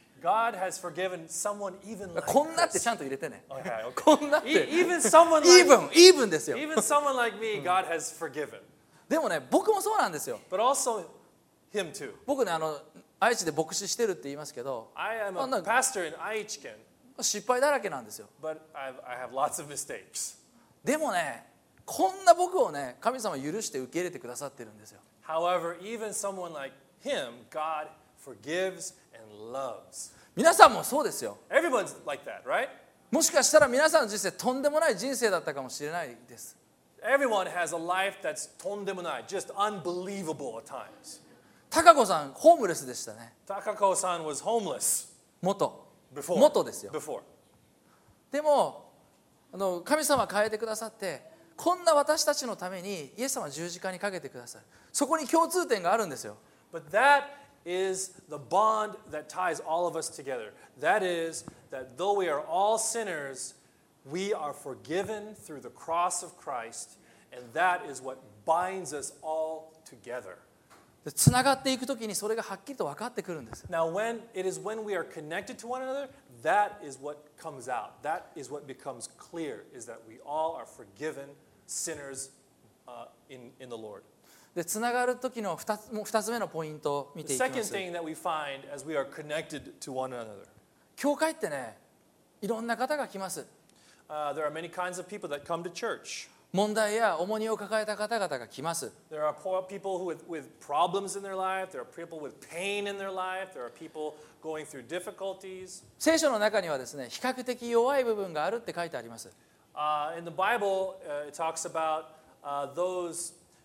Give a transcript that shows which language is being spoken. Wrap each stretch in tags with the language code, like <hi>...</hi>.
<en>God has forgiven someone even like</en> <ja>こんなってちゃんと入れてね。</ja> <en>Okay, okay.</en> <ja>こんなって。</ja> <en>Even someone like even, even</en> <ja>ですよ。</ja> <en>Even someone like me, God has forgiven.</en> <ja>でもね、僕もそうなんですよ。</ja> <en>But also him too.</en> <ja>僕ね、あの、愛知で牧師してるって言いますけど、</ja> <en>I am a pastor in 愛知県。</en> <ja>失敗だらけなんですよ。</ja> <en>But I have lots of mistakes.</en> <ja>でもね、こんな僕をね、神様許して受け入れてくださってるんですよ。</ja> <en>However, even someone like him, God forgives and loves.</en> <ja>皆さんもそうですよ。</ja> <en>Everyone's like that, right?</en> <ja>もしかしたら皆さんの人生とんでもない人生だったかもしれないです。</ja> <en>Everyone has a life that's</en> <ja>とんでもない,</ja> <en>just unbelievable at times.</en> <ja>高子さん、ホームレスでしたね。</ja> <en>高子さん was homeless.</en> <ja>元。</ja> <en>Before.</en> <ja>元ですよ。</ja> <en>Before.</en> <ja>でも、あの、神様変えてくださって、こんな私たちのためにイエス様は十字架にかけてください。そこに共通点があるんですよ。</ja> <en>But that is the bond that ties all of us together. That is that though we are all sinners, we are forgiven through the cross of Christ, and that is what binds us all together.</en> <ja>つながっていくときにそれがはっきりと分かってくるんです。</ja> <en>Now when it is when we are connected to one another, that is what comes out. That is what becomes clear is that we all are forgiven sinners in the Lord.</en> <ja>でつながる時の二つ目のポイントを見ていきます。</ja> <en>The second thing that we find as we are connected to one another.</en> <ja>教会ってね、いろんな方が来ます。</ja> <en>There are many kinds of people that come to church.</en> <ja>問題や重荷を抱えた方々が来ます。</ja> <en>There are poor people with problems in their life. There are people with pain in their life. There are people going through difficulties.</en> <ja>聖書の中にはですね、比較的弱い部分があるって書いてあります。</ja> <en>In the Bible, it talks about those.</en>